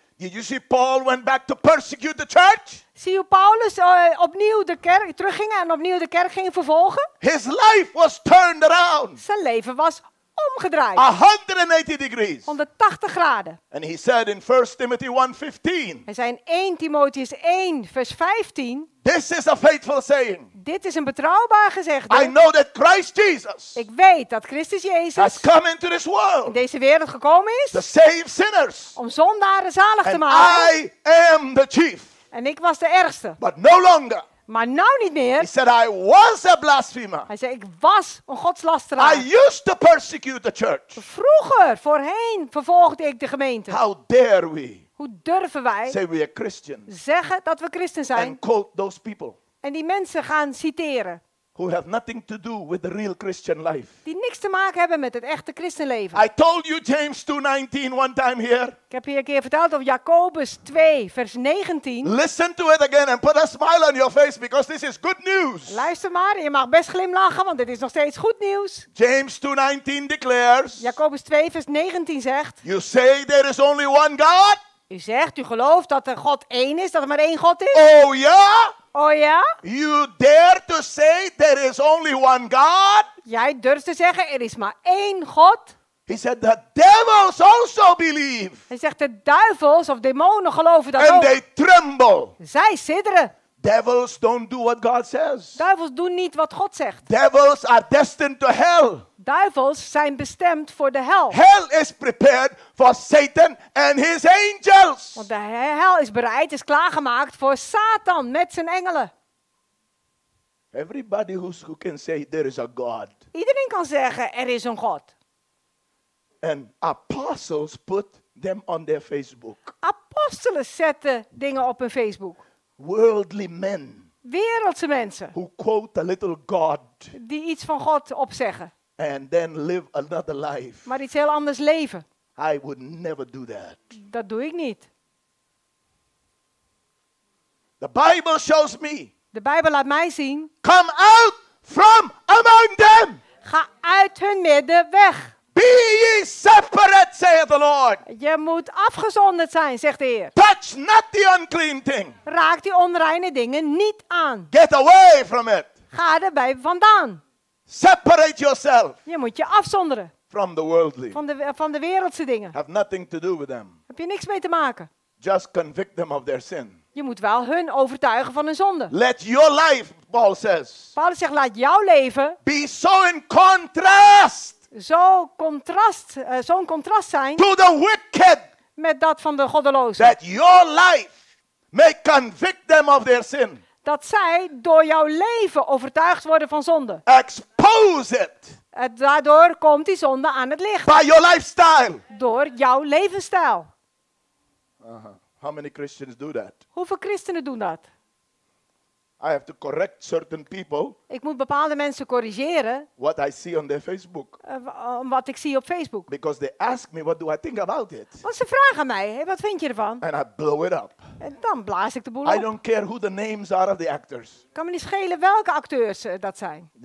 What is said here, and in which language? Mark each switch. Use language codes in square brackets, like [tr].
[en] Did you see Paul went back to persecute the church? [nl] Zie hoe Paulus opnieuw de kerk terugging en opnieuw de kerk ging vervolgen? [en] His life was turned around. [nl] Zijn leven was omgedraaid. [en] 180 degrees. [nl] 180 graden. [en] And he said in 1 Timothy 1:15. [nl] Hij zei in 1 Timotheus 1 vers 15. [en] This is a faithful saying. [nl] Dit is een betrouwbaar gezegde. [en] I know that Christ Jesus. [nl] Ik weet dat Christus Jezus [en] has come into this world. [nl] In deze wereld gekomen is. [en] To save sinners. [nl] Om zondaren zalig [en] and [nl] te maken. [en] I am the chief. [nl] En ik was de ergste. [en] But no longer. [nl] Maar nou niet meer. [en] He said I was a blasphemer. [nl] Hij zei ik was een godslasteraar. [en] I used to persecute the church. [nl] Vroeger, voorheen vervolgde ik de gemeente. [en] How dare we? [nl] Hoe durven wij [en] say we are Christian. [nl] Zeggen dat we christen zijn? [en] And quote those people. [nl] En die mensen gaan citeren. [en] Who have nothing to do with the real Christian life. [nl] Die niks te maken hebben met het echte christenleven. [en] I told you James 2:19 one time here. [nl] Ik heb hier een keer verteld over Jacobus 2 vers 19. [en] Listen to it again and put a smile on your face because this is good news. [nl] Luister maar, je mag best glimlachen want dit is nog steeds goed nieuws. [en] James 2:19 declares. [nl] Jacobus 2 vers 19 zegt. [en] You say there is only one God. [nl] U zegt, u gelooft dat er God één is, dat er maar één God is. Oh ja? Oh ja? [en] You dare to say there is only one God? [nl] Jij durft te zeggen, er is maar één God. [en] He said the devils also believe. [nl] Hij zegt, de duivels of demonen geloven dat [en] and [nl] ook. [en] And they tremble. [nl] Zij sidderen. [en] Devils don't do what God says. [nl] Duivels doen niet wat God zegt. [en] Devils are destined to hell. [nl] Duivels zijn bestemd voor de hel. [en] Hell is prepared for Satan and his angels. [nl] Want de hel is bereid, is klaargemaakt voor Satan met zijn engelen. [en] Everybody who can say there is a God. [nl] Iedereen kan zeggen er is een God. [en] And apostles put them on their Facebook. [nl] Apostelen zetten dingen op hun Facebook. [en] Worldly men. [nl] Wereldse mensen. [en] Who quote a little God. [nl] Die iets van God opzeggen. [en] And then live another life. [nl] Maar iets heel anders leven. [en] I would never do that. [nl] Dat doe ik niet. [en] The Bible shows me. [nl] De Bijbel laat mij zien. [en] Come out from among them. [nl] Ga uit hun midden weg. [en] Be ye separate, saith the Lord. [nl] Je moet afgezonderd zijn, zegt de Heer. [en] Touch not the unclean thing. [nl] Raak die onreine dingen niet aan. [en] Get away from it. [nl] Ga erbij vandaan. [en] Separate yourself. [nl] Je moet je afzonderen. [en] From the worldly. [nl] Van de wereldse dingen. [en] Have nothing to do with them. [nl] Heb je niks mee te maken. [en] Just convict them of their sin. [nl] Je moet wel hun overtuigen van hun zonde. [en] Let your life, Paul says. [nl] Paulus zegt, laat jouw leven. [en] Be so in contrast. [nl] Zo'n contrast zijn. [en] To the wicked. [nl] Met dat van de goddelozen. [en] That your life may convict them of their sin. [nl] Dat zij door jouw leven overtuigd worden van zonde. [en] Expose it. [nl] En daardoor komt die zonde aan het licht. [en] By your lifestyle. [nl] Door jouw levensstijl. [en] How many Christians do that? [nl] Hoeveel christenen doen dat? [en] I have to correct certain people. [nl] Ik moet bepaalde mensen corrigeren. [en] What I see on their Facebook. [nl] Wat ik zie op Facebook. [en] Because they ask me, what do I think about it? [nl] Want ze vragen mij, hey, wat vind je ervan? [en] And I blow it up. [nl] En dan blaas ik de boel [en] op. I don't care who the names are of the actors. [nl] Kan me niet schelen welke acteurs dat zijn.